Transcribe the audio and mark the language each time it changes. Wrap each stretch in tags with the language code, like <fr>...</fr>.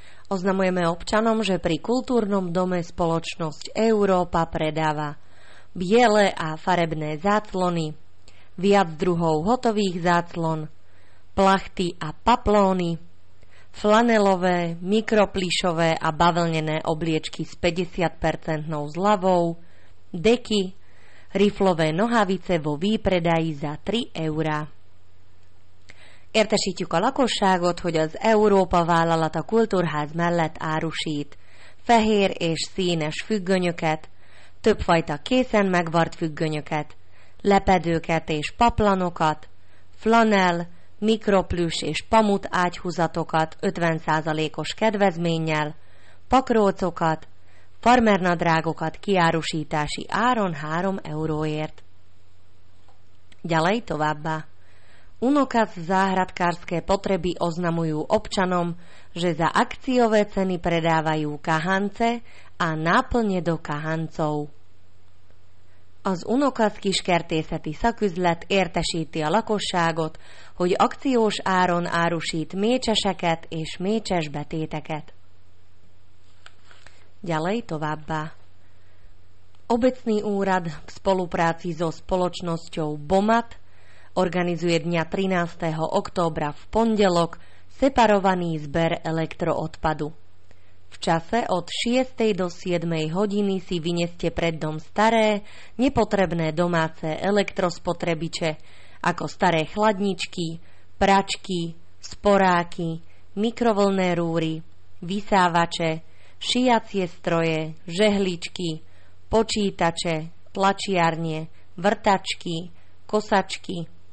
<sk>Oznamujeme občanom, že pri kultúrnom dome spoločnosť Európa predáva biele a farebné záclony, viac druhov hotových záclon, plachty a paplóny, flanelové, mikroplišové a bavlnené obliečky s 50% zľavou, deky, riflové nohavice vo výpredaji za 3 eurá.</sk> <hu>Értesítjük a lakosságot, hogy az Európa vállalat a kultúrház mellett árusít fehér és színes függönyöket, többfajta készen megvart függönyöket, lepedőket és paplanokat, flanel, mikroplüs és pamut ágyhúzatokat 50%-os kedvezménnyel, pakrócokat, farmernadrágokat kiárusítási áron 3 euróért. Gyalej továbbá!</hu> <sk>Unokas záhradkárske potreby oznamujú občanom, že za akciové ceny predávajú kahance a náplne do kahancov.</sk> <hu>Az Unokas kiskertészeti szaküzlet értesíti a lakosságot, hogy akciós áron árusít mécseseket és mécses betéteket.</hu> <sk>Ďalej</sk> <hu>továbbá.</hu> <sk>Obecný úrad v spolupráci so spoločnosťou BOMAT organizuje dňa 13. októbra v pondelok separovaný zber elektroodpadu. V čase od 6. do 7. hodiny si vyneste pred dom staré, nepotrebné domáce elektrospotrebiče, ako staré chladničky, pračky, sporáky, mikrovlnné rúry, vysávače, šiacie stroje, žehličky, počítače, tlačiarne, vrtačky, kosačky,</sk>